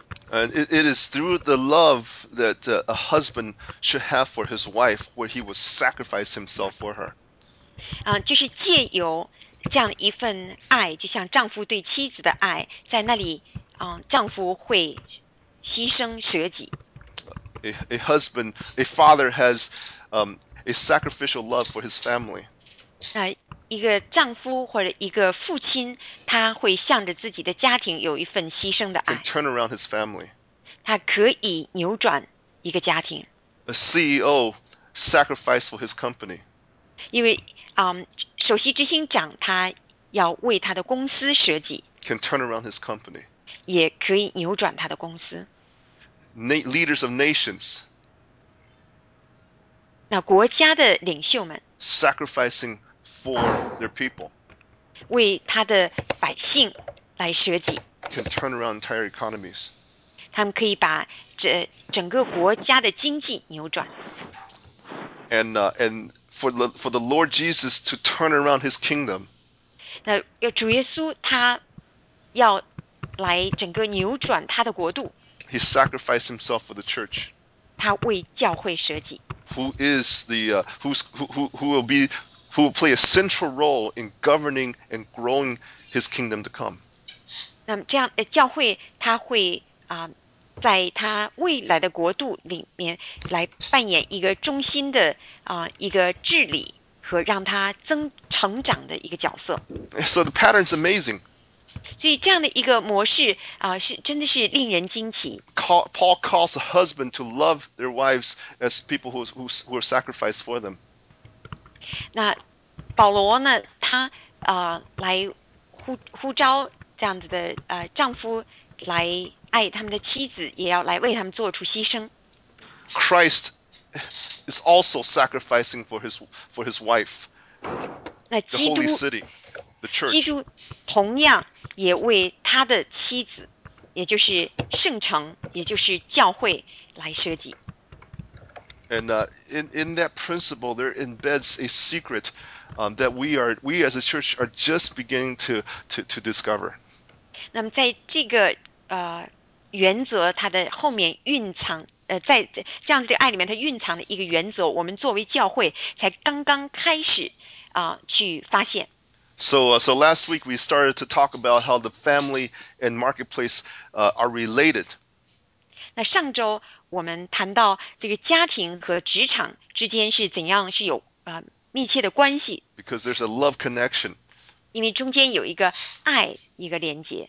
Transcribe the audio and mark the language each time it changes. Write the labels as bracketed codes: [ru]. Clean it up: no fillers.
[en] And it is through the love that a husband should have for his wife where he would sacrifice himself for her. [zh] 就是借由这样一份爱，就像丈夫对妻子的爱，在那里丈夫会牺牲舍己。 [en] A husband, a father has a sacrificial love for his family. [zh] 一个丈夫或者一个父亲，他会向着自己的家庭有一份牺牲的爱。 [en] Can turn around his family. [zh] 他可以扭转一个家庭。 [en] A CEO sacrifice for his company. [zh] 因为首席执行长他要为他的公司设计。 [en] Can turn around his company. [zh] 也可以扭转他的公司。 [en] Leaders of nations. [zh] 那国家的领袖们。 [en] Sacrificing for their people. [zh] 为他的百姓来设计。 [en] Can turn around entire economies. [zh] 他们可以把这整个国家的经济扭转。 [en] And for the Lord Jesus to turn around his kingdom. [zh] 那主耶稣他要来整个扭转他的国度。 [en] He sacrificed himself for the church. [zh] 他为教会舍己。 [en] Who is the who will play a central role in governing and growing his kingdom to come. [zh] 那这样教会他会在他未来的国度里面来扮演一个中心的一个治理和让他成长的一个角色。 [en] So the pattern's amazing. [zh] 所以这样的一个模式是真的是令人惊奇。 [en] Paul calls a husband to love their wives as people who are sacrificed for them. [zh] 那保罗呢他来呼召这样子的丈夫来爱他们的妻子，也要来为他们做出牺牲。 [en] Christ is also sacrificing for his wife, the holy city, the church. [zh] 基督同样也为他的妻子，也就是圣城，也就是教会来设计。 [en] And in that principle, there embeds a secret that we as a church are just beginning to discover. [zh] 那么在这个原则它的后面蕴藏在这样子的爱里面它蕴藏的一个原则，我们作为教会才刚刚开始去发现。 [en] So last week we started to talk about how the family and marketplace are related. [zh] 那上周我们谈到这个家庭和职场之间是怎样是有密切的关系。 [en] Because there's a love connection. [zh] 因为中间有一个爱，一个连接。